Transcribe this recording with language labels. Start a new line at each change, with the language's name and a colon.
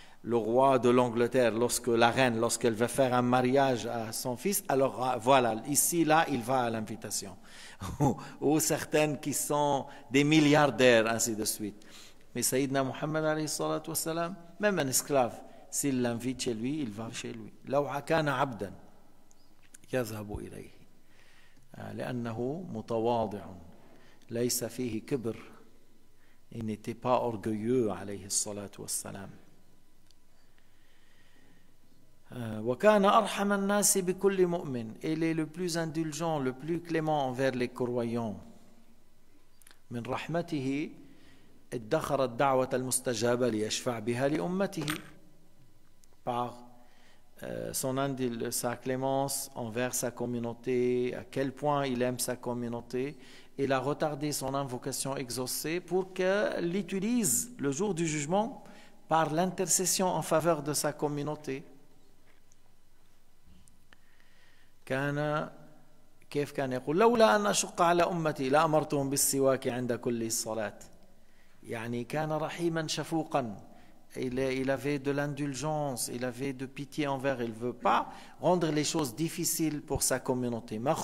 French: Le roi de l'Angleterre, lorsque la reine, lorsqu'elle veut faire un mariage à son fils, alors voilà, ici, là, il va à l'invitation. Ou certaines qui sont des milliardaires, ainsi de suite. Mais Sayyidina Muhammad, alayhi salatu wasalam, même un esclave, s'il l'invite chez lui, il va chez lui.
Arabic: لو كان عبدا يذهب إليه لأنه متواضع ليس فيه كبر
French: il n'était pas orgueilleux,
Arabic: alayhi salatu wasalam. وكان أرحم الناس بكل مؤمن.
French: Il est le plus indulgent, le plus clément envers les croyants.
Arabic: من رحمته ادخر الدعوة المستجابة ليشفع بها لأمته.
French: Par sa clémence envers sa communauté, à quel point il aime sa communauté, il a retardé son invocation exaucée pour qu'elle l'utilise le jour du jugement par l'intercession en faveur de sa communauté.
Arabic: كان كيف كان يقول لولا أن أشق على أمتي لا أمرتهم بالسواك عند كل الصلاة. يعني كان رحيما شفوقا.
French: Il avait de l'indulgence, il avait de pitié envers, il ne veut pas rendre les choses difficiles pour sa communauté.